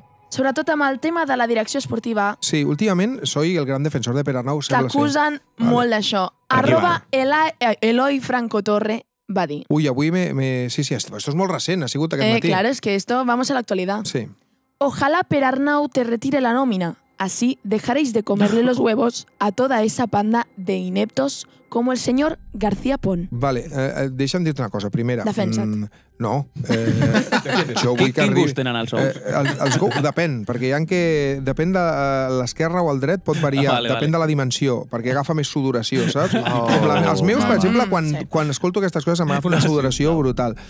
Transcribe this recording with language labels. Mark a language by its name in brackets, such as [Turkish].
[Catalan] Sobretot amb el tema de la direcció esportiva. [Spanish] Sí, [Catalan] últimament [Spanish] soy el gran defensor de Pere Arnau. [Catalan] T'acusen molt d'això. Arroba Eloi Franco Torre va dir. Ui, avui me... Sí, sí, [Spanish] esto es [Catalan] molt recent, ha sigut aquest matí. [Spanish] Claro, es que esto... Vamos [Catalan] a l'actualitat. [Spanish] Sí. Ojalá Pere Arnau te retire la nómina. Así dejaréis de comerle los huevos a toda esa panda de ineptos como el señor García Pon. [Catalan] Vale, deixa'm dir-te una cosa. Primera. Defensa't. No. Jo vull que arribi... Quin gust tenen els ous? Depèn, perquè hi ha que... Depèn de l'esquerra o el dret, pot variar. Depèn de la dimensió, perquè agafa més sudoració, saps? Els meus, per exemple, quan escolto aquestes coses, m'agafa una sudoració brutal.